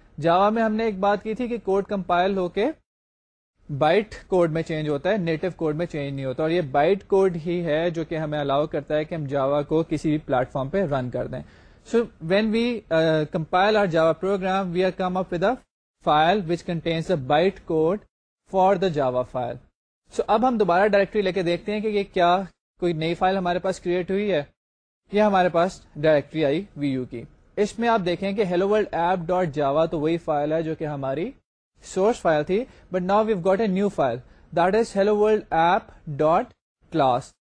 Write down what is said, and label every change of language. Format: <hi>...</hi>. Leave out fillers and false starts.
<ur>Java میں ہم نے ایک بات کی تھی کہ کوڈ کمپائل ہو کے بائٹ کوڈ میں چینج ہوتا ہے, نیٹو کوڈ میں چینج نہیں ہوتا. اور یہ بائٹ کوڈ ہی ہے جو کہ ہمیں الاؤ کرتا ہے کہ ہم جاوا کو کسی بھی پلیٹ فارم پہ رن کر دیں.</ur> <en>So when we compile our Java program we are come up with a file which contains a byte code for the Java file.</en> <ur>سو اب ہم دوبارہ ڈائریکٹری لے کے دیکھتے ہیں کہ یہ کیا کوئی نئی فائل ہمارے پاس کریٹ ہوئی ہے. یہ ہمارے پاس ڈائریکٹری آئی وی یو کی. اس میں آپ دیکھیں کہ ہیلو ورلڈ ایپ ڈاٹ جاوا تو وہی فائل ہے جو کہ ہماری سورس فائل تھی,</ur> <en>But now we've got a new file that is hello world app dot class.</en>